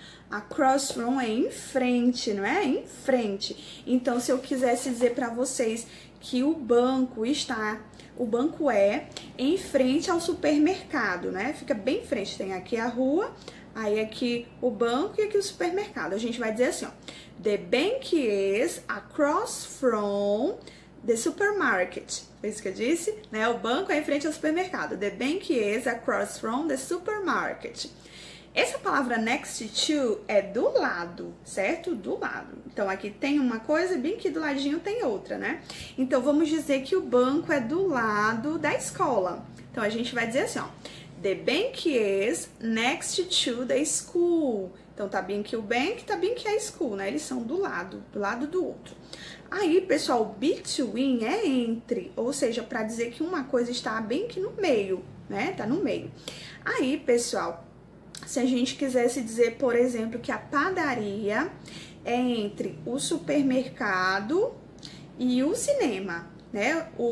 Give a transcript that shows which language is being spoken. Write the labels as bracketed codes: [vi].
[pt] Across from é em frente, não é? Em frente. Então, se eu quisesse dizer para vocês que o banco é em frente ao supermercado, né? Fica bem em frente. Tem aqui a rua, aí aqui o banco e aqui o supermercado. A gente vai dizer assim, ó. [en] The bank is across from the supermarket. [pt] Foi isso que eu disse, né? O banco é em frente ao supermercado. [en] The bank is across from the supermarket. [pt] Essa palavra next to é do lado, certo? Do lado. Então, aqui tem uma coisa e bem aqui do ladinho tem outra, né? Então, vamos dizer que o banco é do lado da escola. Então, a gente vai dizer assim, ó. [en] The bank is next to the school. [pt] Então, tá bem aqui o bank, tá bem aqui a school, né? Eles são do lado do outro. Aí, pessoal, between é entre, ou seja, pra dizer que uma coisa está bem aqui no meio, né? Tá no meio. Aí, pessoal, se a gente quisesse dizer, por exemplo, que a padaria é entre o supermercado e o cinema, né?